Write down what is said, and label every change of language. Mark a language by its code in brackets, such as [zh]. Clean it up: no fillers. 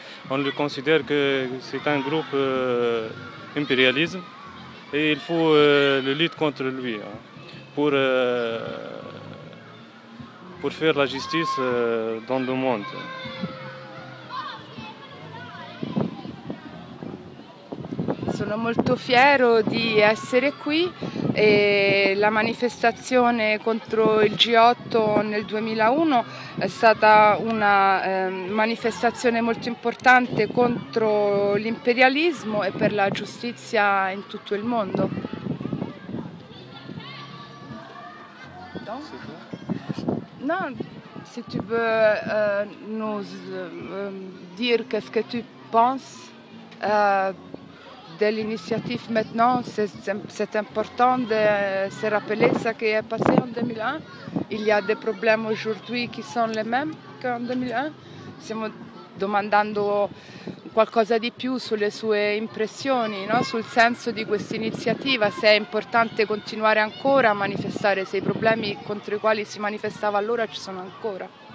[fr] On le considère que c'est un groupe impérialisme. Et il faut le lutter contre lui hein, pour faire la justice dans le monde. [it] Sono molto fiero di essere qui e la manifestazione contro il G8 nel 2001 è stata una manifestazione molto importante contro l'imperialismo e per la giustizia in tutto il mondo. [fr] No, se tu vuoi dire qu'est-ce que tu penses de l'initiative maintenant, c'est important de se rappeler ce qui est passé en 2001. Il y a des problèmes aujourd'hui qui sont les mêmes qu'en 2001. [it] Stiamo domandando qualcosa di più sulle sue impressioni, no? Sul senso di questa iniziativa, se è importante continuare ancora a manifestare, se i problemi contro i quali si manifestava allora ci sono ancora.